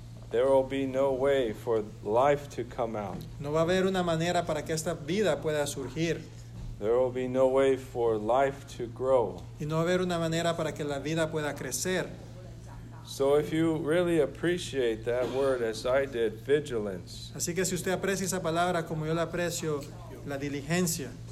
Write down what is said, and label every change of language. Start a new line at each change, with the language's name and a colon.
English: There will be no way for life to come out.
Spanish: No va a haber una manera para que esta vida pueda surgir.
English: There will be no way for life to grow.
Spanish: Y no va a haber una manera para que la vida pueda crecer.
English: So if you really appreciate that word as I did, vigilance.
Spanish: Así que si usted aprecia esa palabra como yo la aprecio, la diligencia.